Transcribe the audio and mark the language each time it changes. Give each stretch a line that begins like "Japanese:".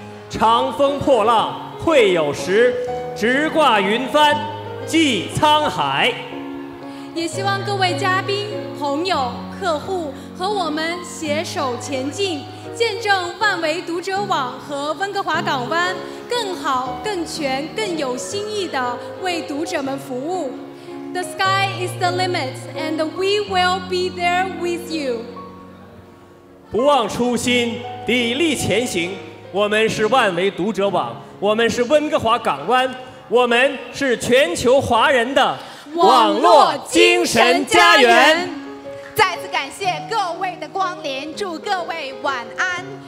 Chinese: 长风破浪会有时，直挂云帆济沧海。也希望各位嘉宾、朋友、客户和我们携手前进，见证万维读者网和温哥华港湾更好、更全、更有新意地为读者们服务。
English: The sky is the limit and we will be there with you.
Chinese: 不忘初心，砥砺前行，我们是万维读者网，我们是温哥华港湾，我们是全球华人的网络精神家园。再次感谢各位的光临，祝各位晚安。